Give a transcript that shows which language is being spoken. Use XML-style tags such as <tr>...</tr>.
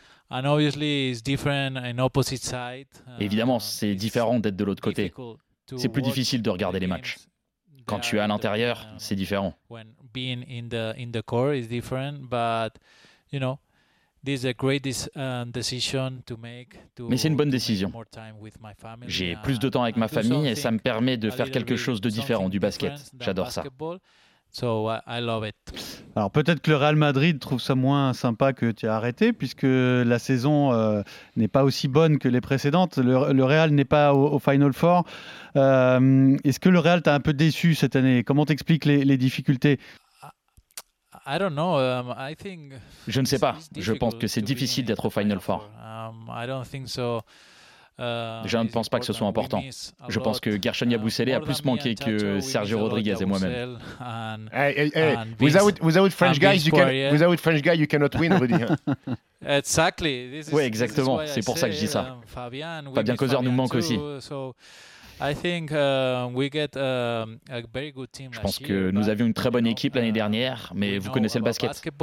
<en>And obviously it's different on opposite side.</en> <fr>Évidemment, c'est différent d'être de l'autre côté. C'est plus difficile de regarder les matchs. Quand tu es à l'intérieur, c'est différent.</fr> <en>When being in the court is different, but you know, this is a great decision to make.</en> <fr>Mais c'est une bonne décision. J'ai plus de temps avec ma famille et ça me permet de faire quelque chose de différent du basket. J'adore ça.</fr> <en>So I love it.</en> <fr>Alors peut-être que le Real Madrid trouve ça moins sympa que tu as arrêté, puisque la saison n'est pas aussi bonne que les précédentes. Le Real n'est pas au Final Four. Est-ce que le Real t'a un peu déçu cette année? Comment t'expliques les difficultés?</fr> <en>I don't know. I think</en> <fr>je ne sais pas. Je pense que c'est difficile d'être au Final Four.</fr> <en>I don't think so.</en> <fr>Je ne pense pas que ce soit important. Je pense que Gershon Yabusele a plus manqué que Sergio Rodriguez et moi-même.</fr> <en>Hey, without French guys, you can, without French guy, you cannot win, Rudy. Exactly. This is,</en> <fr>oui, exactement. C'est pour ça que je dis ça. Fabien Causeur nous manque aussi. Je pense que nous avions une très bonne équipe l'année dernière, mais vous connaissez le basket.</fr>